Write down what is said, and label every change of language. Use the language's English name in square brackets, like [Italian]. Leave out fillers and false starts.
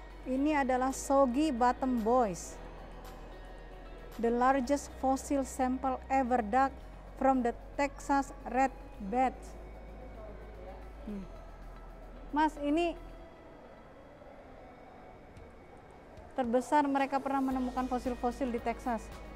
[Indonesian] Ini adalah soggy bottom boys. [English] The largest fossil sample ever dug from the Texas Red Bed. [Indonesian] Mas, ini terbesar mereka pernah menemukan fosil-fosil di Texas.